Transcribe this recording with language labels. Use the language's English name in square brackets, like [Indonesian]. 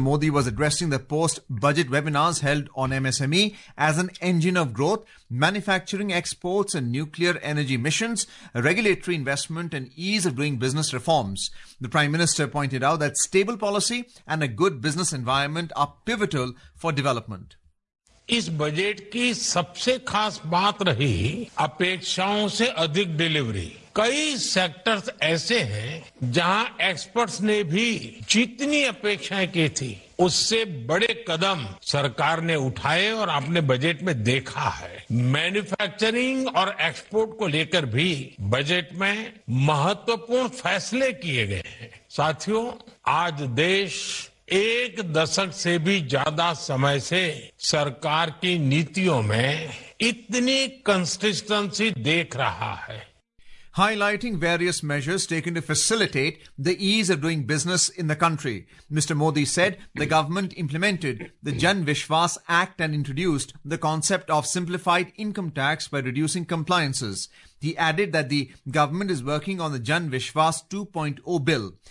[English] Modi was addressing the post-budget webinars held on MSME as an engine of growth, manufacturing exports and nuclear energy emissions, regulatory investment and ease of doing business reforms. The Prime Minister pointed out that stable policy and a good business environment are pivotal for development. [Hindi] इस budget की सबसे खास बात रही अपेक्षाओं से अधिक delivery. कई सेक्टर्स ऐसे हैं जहां एक्सपर्ट्स ने भी जितनी अपेक्षाएं की थी उससे बड़े कदम सरकार ने उठाए और आपने बजट में देखा है. मैन्युफैक्चरिंग और एक्सपोर्ट को लेकर भी बजट में महत्वपूर्ण फैसले किए गए हैं. साथियों, आज देश एक दशक से भी ज्यादा समय से सरकार की नीतियों में इतनी कंसिस्टेंसी देख रहा है. [English] Highlighting various measures taken to facilitate the ease of doing business in the country, Mr. Modi said the government implemented the Jan Vishwas Act and introduced the concept of simplified income tax by reducing compliances. He added that the government is working on the Jan Vishwas 2.0 bill.